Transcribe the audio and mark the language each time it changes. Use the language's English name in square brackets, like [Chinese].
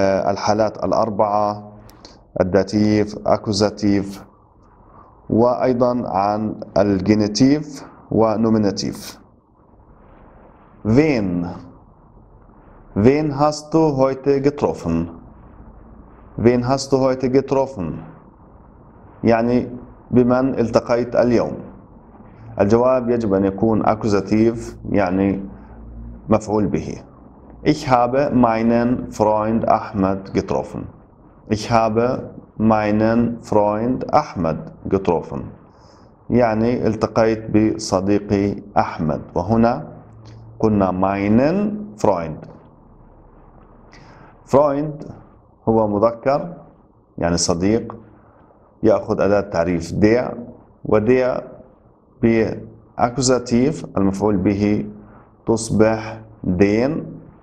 [Arabic] الحالات الأربعة الداتيف أكوزاتيف وأيضا عن الجينيتيف ونوميناتيف وين وين هاستو هويته جتروفن وين هاستو هويته جتروفن يعني بمن التقيت اليوم الجواب يجب أن يكون أكوزاتيف يعني مفعول به. [German] Ich habe meinen Freund Ahmed getroffen. Ich habe meinen Freund Ahmed getroffen. [Arabic] يعني التقيت بصديقي أحمد. وهنا قلنا [German] meinen Freund. [Arabic] Freund هو مذكر يعني صديق يأخذ أداة تعريف der وder بأكوزاتيف المفعول به تصبح den